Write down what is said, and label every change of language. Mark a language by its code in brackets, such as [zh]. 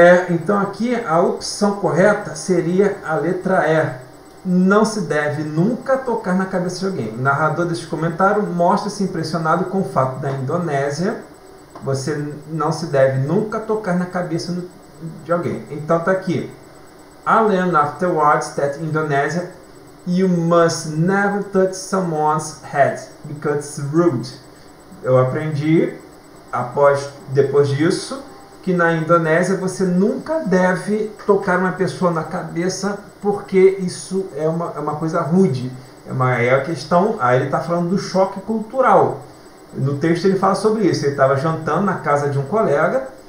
[pt] Então, aqui a opção correta seria a letra E. Não se deve nunca tocar na cabeça de alguém. O narrador deste comentário mostra-se impressionado com o fato da Indonésia. Você não se deve nunca tocar na cabeça de alguém. Então, tá aqui. [en] I learned afterwards that in Indonesia you must never touch someone's head because it's rude. [pt] Eu aprendi depois disso que na Indonésia você nunca deve tocar uma pessoa na cabeça porque isso é uma coisa rude. É a questão. Aí ele está falando do choque cultural. No texto ele fala sobre isso. Ele estava jantando na casa de um colega.